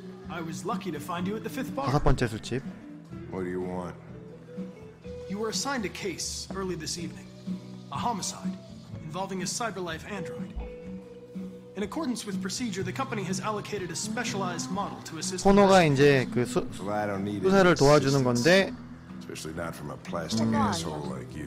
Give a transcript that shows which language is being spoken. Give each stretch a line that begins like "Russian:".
English: I was lucky to find you at the fifth bar.
Korean: 다섯 번째 술집.
English: What do you want? You were assigned a case early this evening. A homicide involving a CyberLife android. In accordance with procedure, the company has allocated a specialized model to assist.
Korean: 코너가 이제 그 수사를 도와주는 건데.
English: Especially not from a plastic asshole like you.